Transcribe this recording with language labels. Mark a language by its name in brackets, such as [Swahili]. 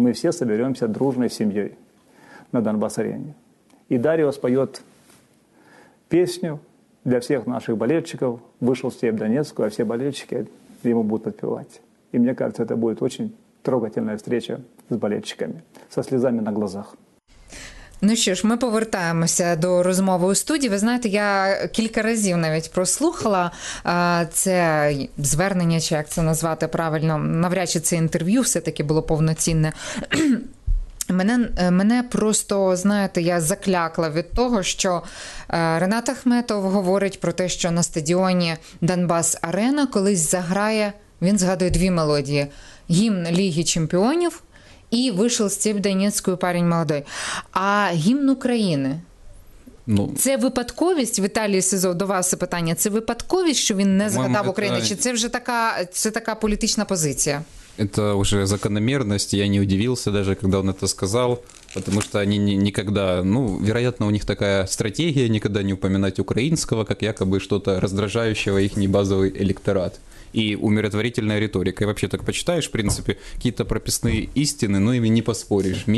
[Russian] И мы все соберемся дружной семьей на Донбасс-арене. И Дарио споет песню для всех наших болельщиков. Вышел Степ Донецку, а все болельщики ему будут подпевать. И мне кажется, это будет очень трогательная встреча с болельщиками, со слезами на глазах. [Ukrainian] Ну що ж, ми повертаємося до розмови у студії. Ви знаєте, я кілька разів навіть прослухала це звернення, чи як це назвати правильно, навряд чи це інтерв'ю все-таки було повноцінне. Мене просто, знаєте, я заклякла від того, що Ренат Ахметов говорить про те, що на стадіоні Донбас-Арена колись заграє, він згадує дві мелодії: гімн Ліги чемпіонів і вийшов з цієї донецької парень молодий. А гімн України? Ну, це випадковість, Віталій Сизов, до вас питання, це випадковість, що він не згадав Україну, чи це вже така політична позиція? [Russian] Это уже закономерность, я не удивился даже, когда он это сказал, потому что они никогда, ну, вероятно, у них такая стратегия никогда не упоминать украинского, как якобы что-то раздражающего их небазовый электорат. И умиротворительная риторика. И вообще так почитаешь, в принципе, какие-то прописные истины, ну, ими не поспоришь.